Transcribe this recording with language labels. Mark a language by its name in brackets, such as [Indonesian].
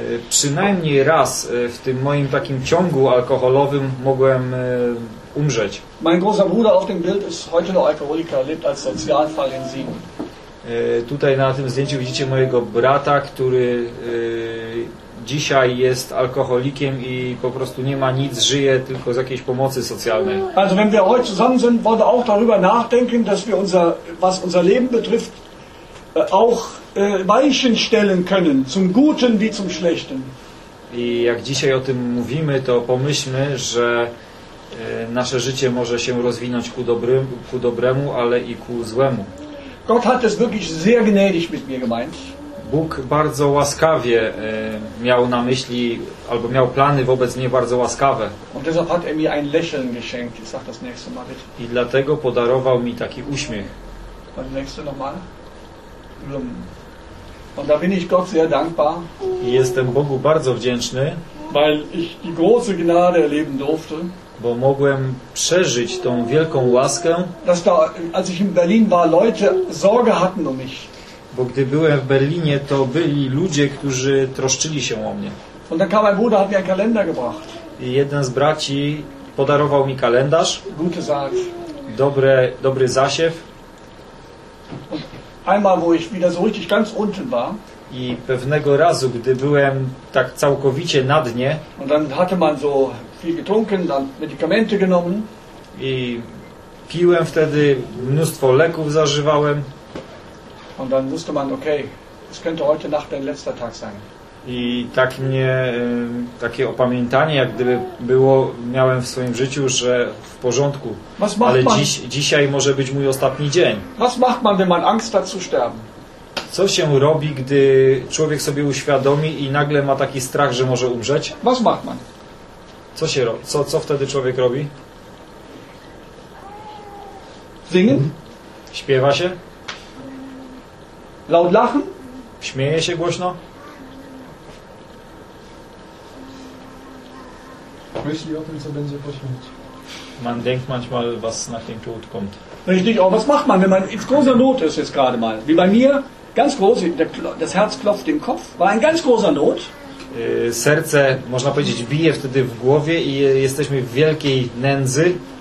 [Polish] Przynajmniej raz w tym moim takim ciągu alkoholowym mogłem umrzeć. [German] Mein großer Bruder auf dem Bild ist heute noch Alkoholiker, lebt als Sozialfall in Siegen. [Polish] Tutaj na tym zdjęciu widzicie mojego brata, który dzisiaj jest alkoholikiem i po prostu nie ma nic, żyje tylko z jakiejś pomocy socjalnej. [German] Also wenn wir heute zusammen sind, wollen wir auch darüber nachdenken, dass wir unser, was unser Leben betrifft, auch Weichen stellen können, zum Guten wie zum Schlechten. [Polish] I jak dzisiaj o tym mówimy, to pomyślmy, że nasze życie może się rozwinąć ku dobremu, ale i ku złemu. [German] Gott hat es wirklich sehr gnädig mit mir gemeint. [Polish] Bóg bardzo łaskawie miał na myśli, albo miał plany wobec mnie bardzo łaskawe. [German] Und deshalb hat mir ein Lächeln geschenkt. Ich sag das nächste Mal. [Polish] I dlatego podarował mi taki uśmiech. [German] Und nächste nochmal. Und da bin ich Gott sehr dankbar. [Polish] I jestem Bogu bardzo wdzięczny, [German] weil ich die große Gnade erleben durfte. [Polish] Bo mogłem przeżyć tą wielką łaskę. [German] Dass da, als ich in Berlin war, Leute Sorge hatten um mich. [Polish] Bo gdy byłem w Berlinie, to byli ludzie, którzy troszczyli się o mnie. [German] Und dann kam mein Bruder, hat mir einen Kalender gebracht. [Polish] I jeden z braci podarował mi kalendarz. [German] Gute Saat. [Polish] Dobry zasiew. [German] Und einmal, wo ich wieder so richtig ganz unten war. [Polish] I pewnego razu, gdy byłem tak całkowicie na dnie. [German] Und dann hatte man so viel getrunken, dann Medikamente genommen. [Polish] I piłem wtedy, mnóstwo leków zażywałem. [German] Und dann wusste man, okay, es könnte heute Nacht dein letzter Tag sein. [Polish] I tak mnie, takie opamiętanie, jak gdyby było, miałem w swoim życiu, że w porządku. [German] Was macht [Polish] ale [German] man, [Polish] dzisiaj może być mój ostatni dzień. [German] Was macht man, wenn man Angst hat zu sterben? [Polish] Co się robi, gdy człowiek sobie uświadomi i nagle ma taki strach, że może umrzeć? [German] Was macht man? [Polish] Co się robi? Co wtedy człowiek robi? [German] Singen? [Polish] Śpiewa się? [German] Laut lachen? [Polish] Śmieje się głośno? Myśli o tym, co będzie po śmierci. [German] Man denkt manchmal, was nach dem Tod kommt. Richtig, aber was macht man, wenn man in großer Not ist jetzt gerade mal? Wie bei mir, ganz groß, das Herz klopft im Kopf, war ein ganz großer Not. [Polish] Serce, można powiedzieć, bije wtedy w głowie i jesteśmy w wielkiej nędzy.